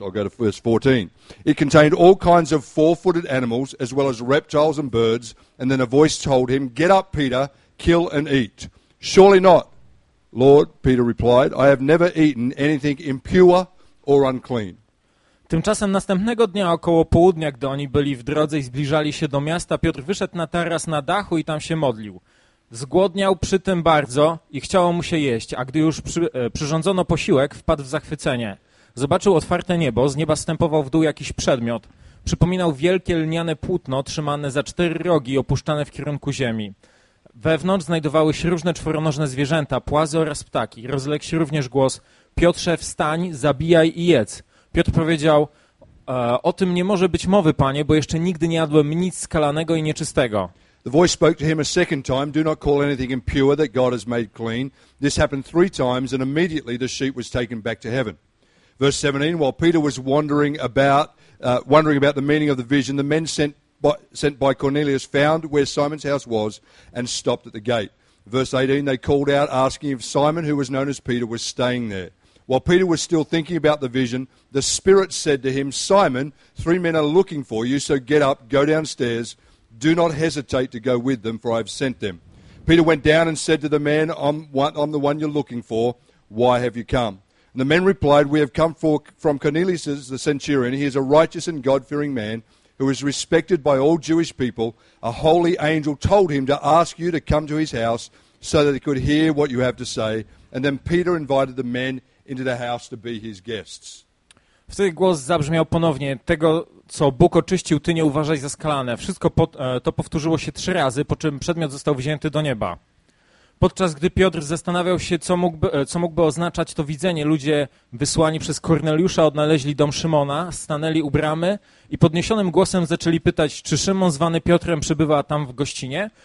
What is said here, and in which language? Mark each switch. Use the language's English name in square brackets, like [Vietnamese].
[English] I'll go to verse 14. It contained all kinds of four-footed animals as well as reptiles and birds. And then a voice told him, "Get up, Peter, kill and eat." "Surely not, Lord," Peter replied. "I have never eaten anything impure or unclean." [Polish] Tymczasem następnego dnia około południa, gdy oni byli w drodze i zbliżali się do miasta, Piotr wyszedł na taras na dachu i tam się modlił. Zgłodniał przy tym bardzo i chciało mu się jeść, a gdy już przyrządzono posiłek, wpadł w zachwycenie. Zobaczył otwarte niebo, z nieba zstępował w dół jakiś przedmiot. Przypominał wielkie lniane płótno trzymane za cztery rogi i opuszczane w kierunku ziemi. Wewnątrz znajdowały się różne czworonożne zwierzęta, płazy oraz ptaki. Rozległ się również głos: "Piotrze, wstań, zabijaj i jedz." Piotr powiedział: "O tym nie może być mowy, panie, bo jeszcze nigdy nie jadłem nic skalanego i nieczystego." [English] The voice spoke to him a second time, "Do not call anything impure that God has made clean." This happened three times, and immediately the sheet was taken back to heaven. Verse 17, while Peter was wondering about the meaning of the vision, the men sent by Cornelius found where Simon's house was and stopped at the gate. Verse 18, they called out asking if Simon, who was known as Peter, was staying there. While Peter was still thinking about the vision, the Spirit said to him, "Simon, three men are looking for you, so get up, go downstairs. Do not hesitate to go with them, for I have sent them." Peter went down and said to the man, I'm the one you're looking for. Why have you come?" And the men replied, "We have come from Cornelius the centurion. He is a righteous and God-fearing man who is respected by all Jewish people. A holy angel told him to ask you to come to his house so that he could hear what you have to say." And then Peter invited the men into the house to be his guests. [Polish] Wtedy głos zabrzmiał ponownie: "Tego, co Bóg oczyścił, ty nie uważaj za skalane." Wszystko to powtórzyło się trzy razy, po czym przedmiot został wzięty do nieba. Podczas gdy Piotr zastanawiał się, co mógłby oznaczać to widzenie, ludzie wysłani przez Korneliusza odnaleźli dom Szymona, stanęli u bramy i podniesionym głosem zaczęli pytać, czy Szymon zwany Piotrem przybywa tam w gościnie.